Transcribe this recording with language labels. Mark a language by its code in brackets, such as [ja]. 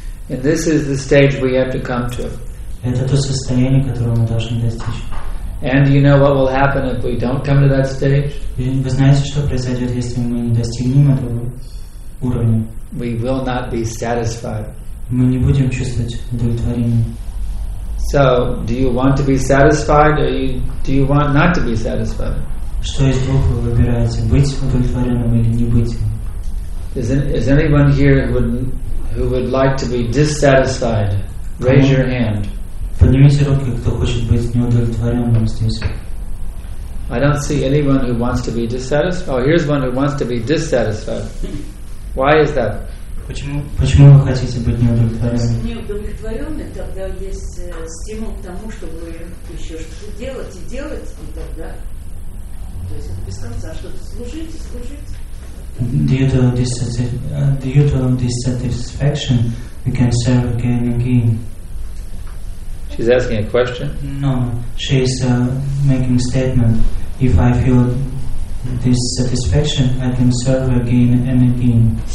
[en] And this is the stage we have to come to. [ru] Это то состояние, которого мы должны достичь. [en] And you know what will happen if we don't come to that stage? [ru] Вы знаете, что произойдет, если мы не достигнем этого уровня? [en] We will not be satisfied. [ru] Мы не будем чувствовать удовлетворения. [en] So, do you want to be satisfied or do you want not to be satisfied? [ru] Что из двух вы выбираете, быть удовлетворенным или не быть? [en] Is anyone here who would like to be dissatisfied? Raise your hand. [ru] Поднимите руки, кто хочет быть неудовлетворенным здесь. [en] I don't see anyone who wants to be dissatisfied. Oh, here's one who wants to be dissatisfied. Why is that? [ru] Почему вы хотите быть неудовлетворенным? Неудовлетворенный, тогда есть стимул к тому, чтобы еще что-то делать и делать, и тогда. То есть это без конца что-то служить и служить. [en] Due to dissatisfaction, we can serve again and again. She's asking a question. No, she's making a statement. If I feel this satisfaction, I can serve again and again.